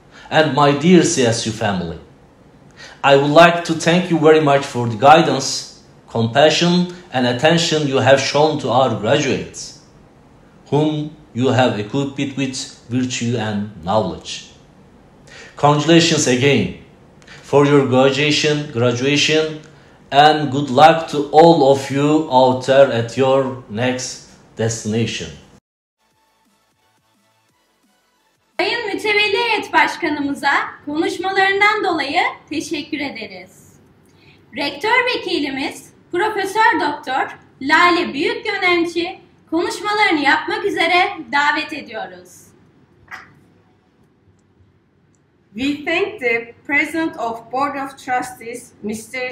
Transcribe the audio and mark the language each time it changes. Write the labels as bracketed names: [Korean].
[English] And my dear CSU family, I would like to thank you very much for the guidance, compassion and attention you have shown to our graduates, whom you have equipped with virtue and knowledge. Congratulations again for your graduation, and good luck to all of you out there at your next destination. [Turkish] Sayın Mütevelli Heyet Başkanımıza konuşmalarından dolayı teşekkür ederiz. Rektör Vekilimiz Profesör Doktor Lale Büyükgönenci konuşmalarını yapmak üzere davet ediyoruz. [English] We thank the President of Board of Trustees, Mr.